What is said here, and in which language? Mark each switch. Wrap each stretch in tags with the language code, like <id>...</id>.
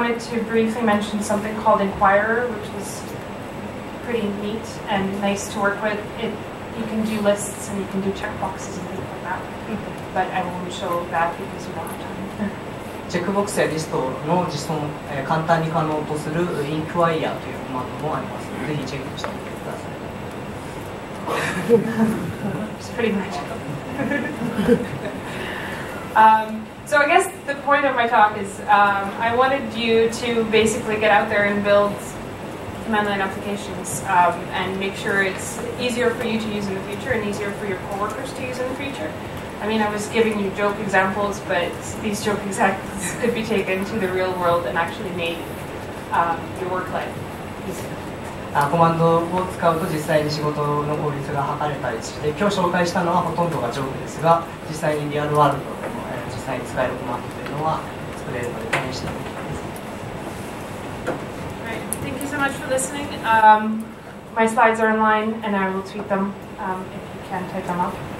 <en>To briefly mention something called Inquirer, which is pretty neat and nice to work with. It, you can do lists and you can do checkboxes and things like that. But I won't show that because we don't have time.</en> <ja>チェックボックスやリストの実装を簡単に可能とする Inquirer というコマンドもあります。ぜひチェックしてみてください。</ja> <en>It's pretty magical. So I guess the point of my talk is I wanted you to basically get out there and build command line applications and make sure it's easier for you to use in the future and easier for your coworkers to use in the future. I mean, I was giving you joke examples, but these joke examples could be taken to the real world and actually made your work life easier.</en> <ja>コマンドを使うと実際に仕事の効率が測れたりして、今日紹介したのはほとんどがジョークですが、実際にリアルワールド</ja> <en>Right. Thank you so much for listening. my slides are online, and I will tweet them if you can type them up.</en>